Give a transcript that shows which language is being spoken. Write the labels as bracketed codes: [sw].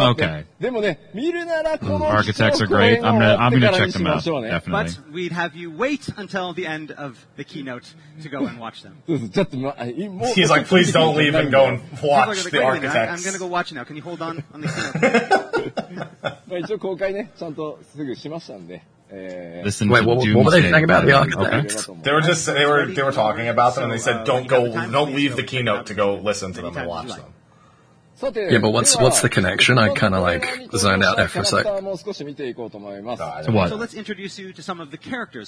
[en] Okay. Architects are great. I'm gonna check them out, definitely. But we'd have you wait until the end of the keynote to go and watch them. He's like, please don't leave and go and watch the Architects. I'm going to go watch now. Can you hold on the keynote? [ja] まあ一応公開ね、ちゃんとすぐしましたんで。 [en] Wait, what were they saying about the Architects? They were talking about them and they said, don't leave the keynote to go listen to them and watch them. Yeah, but what's the connection? I kind of like zoned out there for a sec. What? So let's introduce you to some of the characters.